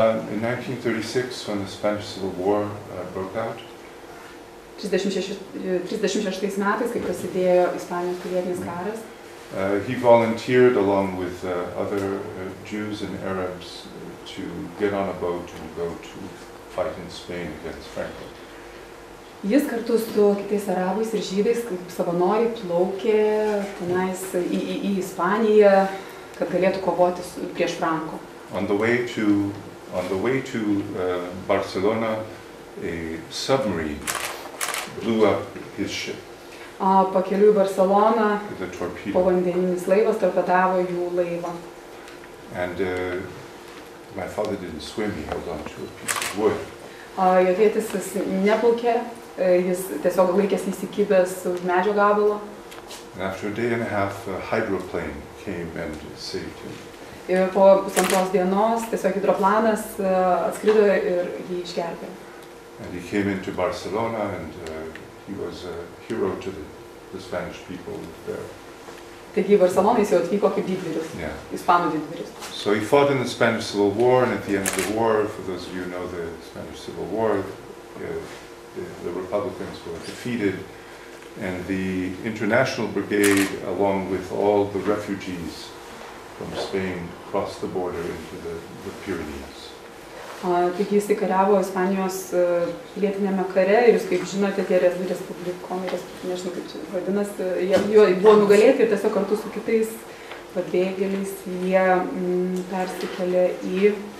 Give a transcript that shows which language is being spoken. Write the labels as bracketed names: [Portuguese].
[English] In 1936, when the Spanish Civil War broke out, [Lithuanian] 36 metais, kai prasidėjo Ispanijos pilietinis karas. [English] He volunteered along with other Jews and Arabs to get on a boat and go to fight in Spain against Franco. [Lithuanian] Jis kartu su kitais arabais ir žydais kaip savanoriai plaukė tenais į Ispaniją, kad galėtų kovoti prieš Franco. [English] On the way to Barcelona, a submarine blew up his ship. [Lithuanian] Pakeliui į Barceloną povandeninis laivas torpedavo jų laivą. [English] And my father didn't swim, he held on to a piece of wood. [Lithuanian] Jo tėtis neplaukė, jis tiesiog laikėsi įsikibęs už medžio gabalo. [English] And after a day and a half, a hydroplane came and saved him. [Lithuanian] Ir po pusantros dienos tiesiog hidroplanas atskrido ir jį išgelbė. [English] And he came into Barcelona and he was a hero to the Spanish people there. [Lithuanian] Taigi Barcelonais jau atvyko kaip didvyris, ispanų didvyris. [English] So he fought in the Spanish Civil War, and at the end of the war, for those of you who know the Spanish Civil War, the Republicans were defeated, and the International Brigade, along with all the refugees from Spain, crossed the border into the Pyrenees. [Lithuanian] Taigi jis kariavo Ispanijos pilietiniame kare ir jūs kaip žinote, tie respublikonai, nežinau kaip čia vadinasi, jie buvo nugalėti ir tiesiog kartu su kitais pabėgėliais jie persikėlė į